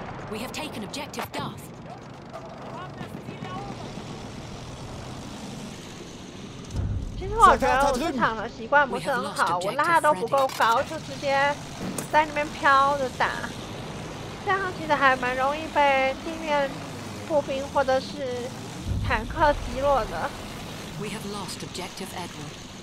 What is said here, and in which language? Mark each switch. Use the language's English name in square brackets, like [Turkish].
[English] We have taken objective Darth. [Chinese] 其实我觉得我这场的习惯不是很好，我拉都不够高，就直接在那边飘着打，这样其实还蛮容易被地面步兵或者是坦克击落的。 [English] We have lost objective Edward.